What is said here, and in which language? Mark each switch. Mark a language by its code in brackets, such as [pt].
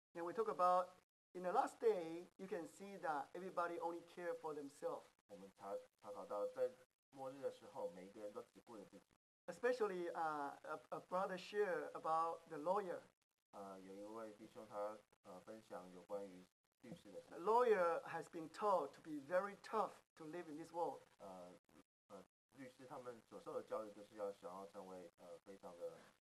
[en] And we talk about in the last day, you can see that everybody only care for themselves. [zh] 我们查考到在末日的时候，每一个人都只顾着自己。 [en] Especially a brother share about the lawyer. [zh] 有一位弟兄他分享有关于律师的事。 [en] A lawyer has been taught to be very tough to live in this world. [zh] 律师他们所受的教育就是要想要成为非常的